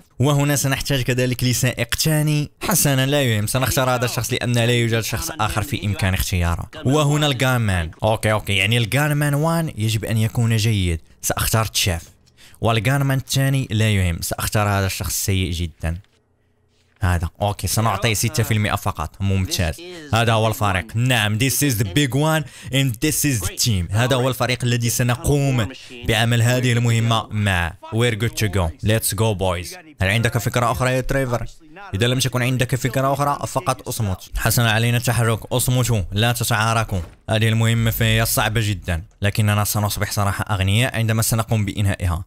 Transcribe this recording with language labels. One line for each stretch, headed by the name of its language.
Arabic: وهنا سنحتاج كذلك لسائق ثاني. حسنا لا يهم، سنختار هذا الشخص لأن لا يوجد شخص آخر في إمكان اختياره. وهنا الغانمان. أوكي يعني الغانمان 1 يجب أن يكون جيد، سأختار تشيف. والغانمان الثاني لا يهم، سأختار هذا الشخص سيء جدا، هذا. أوكي سنعطي 6% فقط، ممتاز. هذا هو الفريق.
English: نعم this is the big one and this is the team.
Arabic: هذا هو الفريق الذي سنقوم بعمل هذه المهمة مع.
English: We're good to go. Let's go boys.
Arabic: هل عندك فكرة أخرى يا تريفر؟ إذا لم تكن عندك فكرة أخرى فقط أصمت. حسنا علينا التحرك، أصمتوا لا تتعاركوا. هذه المهمة فهي صعبة جدا، لكننا سنصبح صراحة أغنياء عندما سنقوم بإنهائها.